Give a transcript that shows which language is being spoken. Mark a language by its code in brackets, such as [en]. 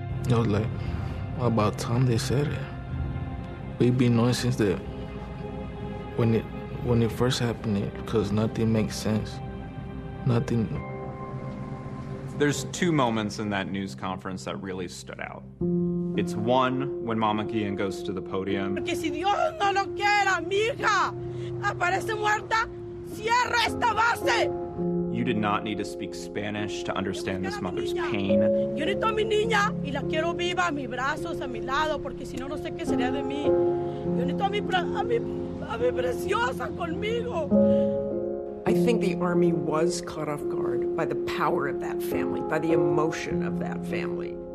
[en] I was like, about time they said it. We've been knowing since the when it first happened, because nothing makes sense. Nothing. There's two moments in that news conference that really stood out. It's one, when Mama Guillen goes to the podium. [es] Porque si Dios no lo quiera, mi hija aparece muerta, cierra esta base. [en] You did not need to speak Spanish to understand this mother's pain. I think the army was caught off guard by the power of that family, by the emotion of that family.